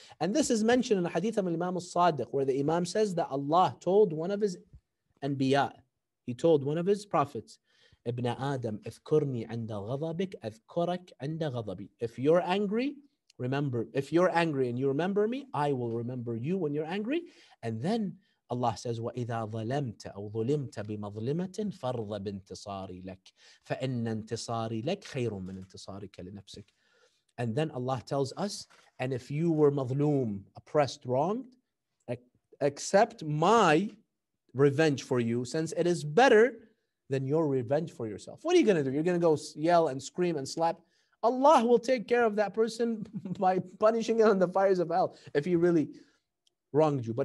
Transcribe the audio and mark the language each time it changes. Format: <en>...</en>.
<en>And this is mentioned in the hadith of Imam al-Sadiq, where the Imam says that Allah told one of his anbiya, he told one of his prophets, Ibn Adam,</en> <ar>اذكرني عند غضبك اذكرك عند غضبي.</ar> <en>If you're angry, remember, if you're angry and you remember me, I will remember you when you're angry. And then Allah says,</en> <ar>وَإِذَا ظَلَمْتَ أَوْ ظُلِمْتَ بِمَظْلِمَةٍ فَرْضَ بِانْتِصَارِ لَكَ فَإِنَّ انْتِصَارِ لَكَ خَيْرٌ مِنْ انْتِصَارِكَ لِنَفْسِكَ.</ar> <en>And then Allah tells us, and if you were mazloom, oppressed, wronged, accept my revenge for you, since it is better than your revenge for yourself. What are you going to do? You're going to go yell and scream and slap. Allah will take care of that person by punishing him in the fires of hell if he really wronged you.</en>